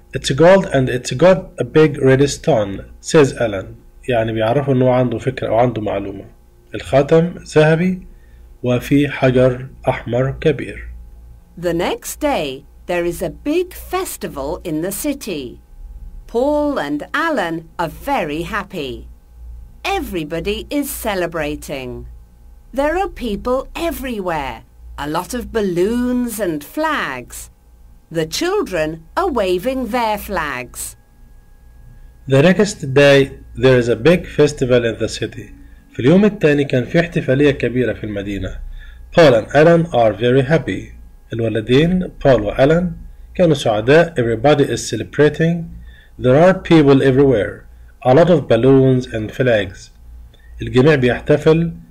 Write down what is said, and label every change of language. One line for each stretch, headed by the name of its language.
English: It's gold and it's got a big red stone. Says Alan.
Arabic: يعني بيعرفوا انه عنده فكرة او عنده معلومة. الخاتم ذهبي وفي حجر أحمر كبير.
English: The next day, there is a big festival in the city. Paul and Alan are very happy. Everybody is celebrating. There are people everywhere. A lot of balloons and flags. The children are waving their flags. The next day, there is a big festival in the city.
Arabic: في اليوم الثاني كان في احتفالية كبيرة في المدينة.
English: Paul and Alan are very happy.
Arabic: الولدين Paul و Alan كانوا سعداء.
English: Everybody is celebrating. There are people everywhere. A lot of balloons and flags.
Arabic: الجميع بيحتفل.